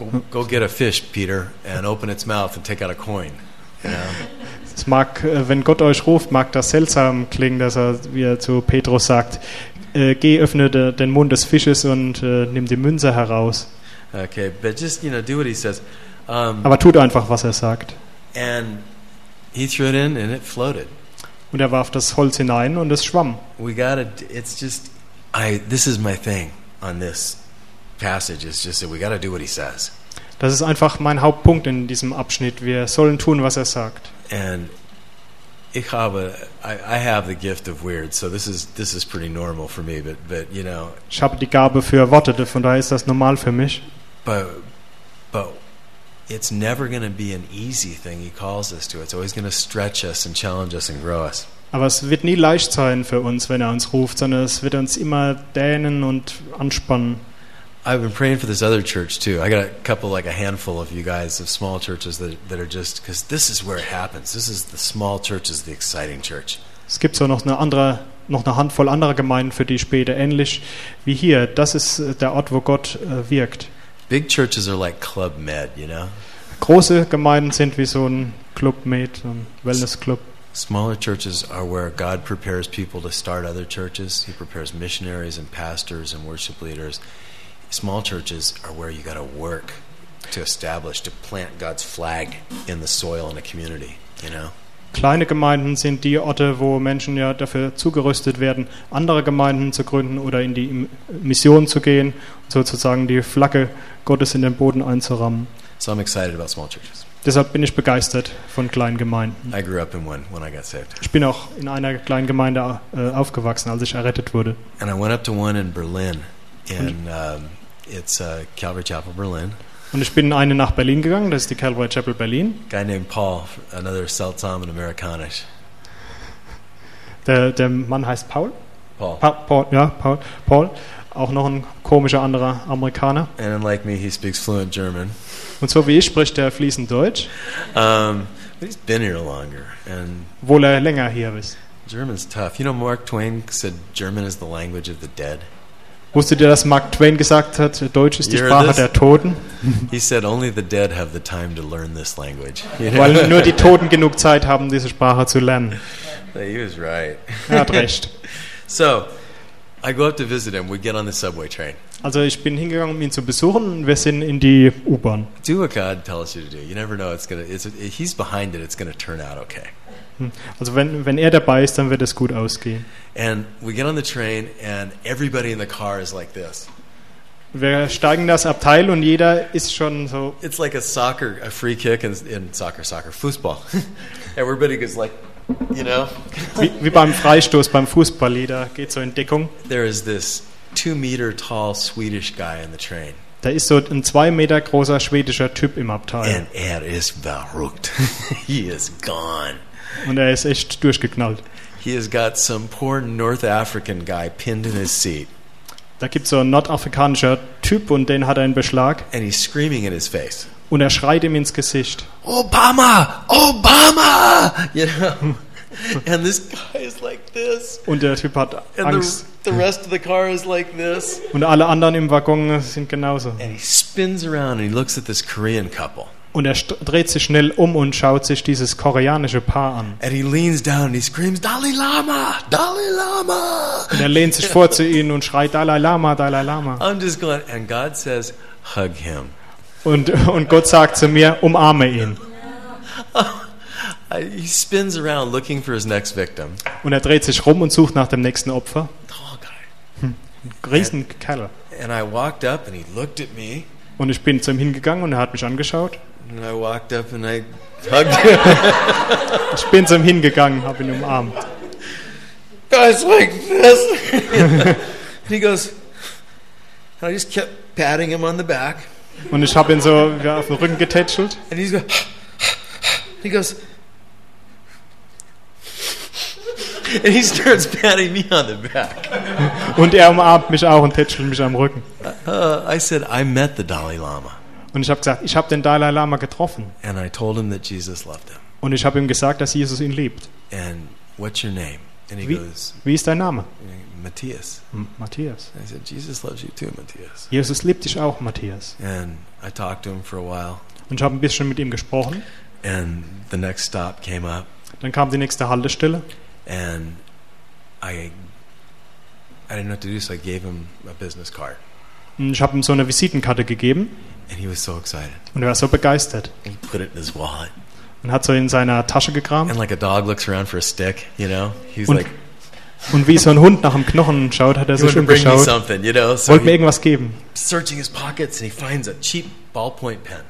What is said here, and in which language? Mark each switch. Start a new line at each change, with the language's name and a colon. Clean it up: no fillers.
English: go get a fish, Peter, and open its mouth and take out a coin. You know?
German: Es mag, wenn Gott euch ruft, mag das seltsam klingen, dass er wie er zu Petrus sagt. Geh, öffne den Mund des Fisches und nimm die Münze heraus.
English: Okay, but just, you know, do what he says.
German: Aber tut einfach, was er sagt.
English: And he threw it in and it floated.
German: Und er warf das Holz hinein und es schwamm.
English: We gotta, it's just, this is my thing on this passage. It's just that we gotta do what he says.
German: Das ist einfach mein Hauptpunkt in diesem Abschnitt. Wir sollen tun, was er sagt.
English: And I have the gift of weird, so this is pretty normal for me, but you know.
German: Ich habe die Gabe für Worte, von daher ist das normal für mich.
English: But it's never going to be an easy thing he calls us to. It's always going to stretch us and challenge us and grow us.
German: Aber es wird nie leicht sein für uns, wenn er uns ruft, sondern es wird uns immer dehnen und anspannen.
English: I've been praying for this other church too. I got a couple, like a handful of you guys of small churches that are just, because this is where it happens. This is the small church is the exciting church.
German: Es gibt so noch eine Handvoll anderer Gemeinden, für die ich bete, ähnlich wie hier. Das ist der Ort, wo Gott wirkt.
English: Big churches are like Club Med, you know?
German: Große Gemeinden sind wie so ein Club Med, ein Wellness Club.
English: Smaller churches are where God prepares people to start other churches. He prepares missionaries and pastors and worship leaders. Small churches are where you got to work to establish, to plant God's flag in the soil in a community, you know?
German: Kleine Gemeinden sind die Orte, wo Menschen ja dafür zugerüstet werden, andere Gemeinden zu gründen oder in die Mission zu gehen, sozusagen die Flagge Gottes in den Boden einzurammen.
English: So I'm excited about small churches.
German: Deshalb bin ich begeistert von kleinen Gemeinden.
English: I grew up in one when I got saved.
German: Ich bin auch in einer kleinen Gemeinde aufgewachsen, als ich errettet wurde.
English: And I went up to one in Berlin. And it's Calvary Chapel Berlin.
German: Und ich bin eine nach Berlin gegangen, das ist die Calvary Chapel Berlin.
English: A guy named Paul, another seltsam and Americanish.
German: Der Mann heißt Paul. Paul. Paul, auch noch ein komischer anderer Amerikaner.
English: And unlike me, he speaks fluent German.
German: Und so wie ich spricht er fließend Deutsch.
English: But he's been here longer and
German: wohl er länger hier ist.
English: German's tough. You know, Mark Twain said German is the language of the dead.
German: Wusstet ihr, dass Mark Twain gesagt hat, Deutsch ist die Sprache der Toten?
English: He said only the dead have the time to learn this language.
German: Weil nur die Toten genug Zeit haben, diese Sprache zu lernen.
English: He was right.
German: Er hat recht.
English: So, I go up to visit him. We get on the subway train.
German: Also, ich bin hingegangen, um ihn zu besuchen. Wir sind in die U-Bahn.
English: Do what God tells you to do. You never know. He's behind it. It's going to turn out okay.
German: Also wenn er dabei ist, dann wird es gut ausgehen.
English: And we get on the train and everybody in the car is like this.
German: Wir steigen das Abteil und jeder ist schon so.
English: It's like a free kick in soccer, Fußball. Everybody goes like, you know.
German: Wie beim Freistoß beim Fußball, jeder geht so in Deckung.
English: There is this 2 meter tall Swedish guy in the train.
German: Da ist so ein 2 Meter großer schwedischer Typ im Abteil.
English: And
German: er ist verrückt.
English: He is gone.
German: Und er ist echt durchgeknallt.
English: He has got some poor North African guy pinned in his seat.
German: Da gibt's so einen nordafrikanischen Typ und den hat er in Beschlag.
English: And he's screaming in his face.
German: Und er schreit ihm ins Gesicht.
English: Obama! Obama! You know? And this guy is like this.
German: Und der Typ hat Angst.
English: The rest of the car is like this.
German: Und alle anderen im Waggon sind genauso.
English: And he spins around and he looks at this Korean couple.
German: Und er dreht sich schnell um und schaut sich dieses koreanische Paar an.
English: And he leans down and he screams, Dalai Lama! Dalai Lama!
German: Und er lehnt sich vor zu ihnen und schreit, Dalai Lama, Dalai Lama.
English: I'm just going, and God says, hug him.
German: Und Gott sagt zu mir, umarme ihn.
English: He spins around looking for his next victim.
German: Und er dreht sich rum und sucht nach dem nächsten Opfer.
English: Tall guy.
German: Riesenkerl.
English: And I walked up and he looked at me.
German: Und ich bin zu ihm hingegangen und er hat mich angeschaut.
English: And I walked up and I hugged him.
German: Ich bin zu ihm hingegangen, habe ihn umarmt.
English: Guys like this. And he goes, and I just kept patting him on the back.
German: Und ich habe ihn so auf den Rücken getätschelt.
English: And he's go, he goes, and he starts patting me on the back.
German: Und er umarmt mich auch und tätschelt mich am Rücken.
English: I said, I met the Dalai Lama.
German: Und ich habe gesagt, ich habe den Dalai Lama getroffen.
English: And I told him that Jesus loved him.
German: Und ich habe ihm gesagt, dass Jesus ihn liebt.
English: And what's your name? And he goes,
German: wie ist dein Name? Matthias. Matthias.
English: I said, Jesus loves you too, Matthias.
German: Jesus liebt dich auch, Matthias.
English: And I talked to him for a while.
German: Und ich habe ein bisschen mit ihm gesprochen.
English: And the next stop came up.
German: Dann kam die nächste Haltestelle.
English: And I didn't know what to do, so I gave him a business card.
German: Und ich habe ihm so eine Visitenkarte gegeben.
English: And he was so excited.
German: Und er war so begeistert.
English: And he put it in his wallet.
German: Und hat so in seiner Tasche gekramt.
English: And like a dog looks around for a stick, you know. He's like.
German: Und wie so ein Hund nach einem Knochen schaut, hat er sich umgeschaut.
English: You know?
German: So wollte mir irgendwas geben.
English: Searching his pockets and he finds a cheap ballpoint pen.